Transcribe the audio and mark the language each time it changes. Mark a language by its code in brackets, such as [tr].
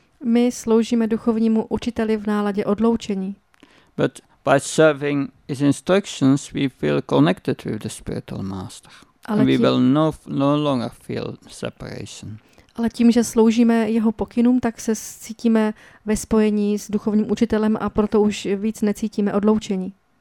[cs] My sloužíme duchovnímu učiteli v náladě odloučení. [en] But by serving his instructions, we feel connected with the spiritual master. And we will no longer feel separation. [cs] Ale tím, že sloužíme jeho pokynům, tak se cítíme ve spojení s duchovním učitelem a proto už víc necítíme odloučení.